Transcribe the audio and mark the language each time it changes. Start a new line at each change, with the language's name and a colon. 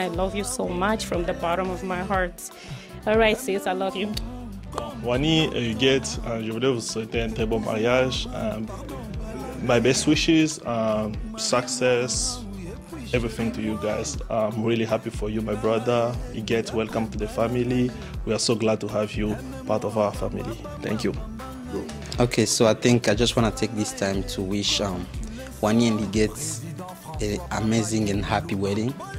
English: I love you so much from the bottom of my heart. All right, sis, I love you.
French: Wany, Huguette, je voulais vous souhaiter un très bon mariage.
English: My best wishes, success, everything to you guys. I'm really happy for you, my brother. Huguette, welcome to the family. We are so glad to have you part of our family. Thank you. Okay, so I think I just want to take this time to wish Wany and Huguette an amazing and happy wedding.